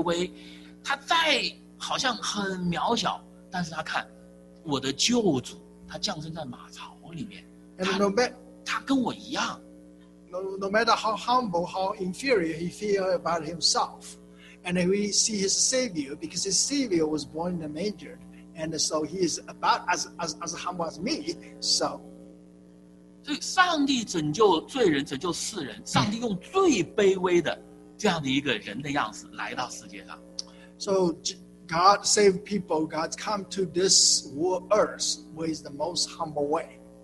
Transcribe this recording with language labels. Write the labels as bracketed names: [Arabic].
[Chinese] 就是他再贫穷,他再卑微,他再好像很渺小, 但是他看, 我的救主, 他降生在马槽里面, 他跟我一样。 [English] No matter how humble, how inferior he feel about himself, and we see his Savior, because his Savior was born in a manger, and so he is about as humble as me, so. [Chinese] 上帝拯救罪人,拯救世人,上帝用最卑微的这样的一个人的样子来到世界上。 [English] So God saved people, God come to this world, earth, with the most humble way.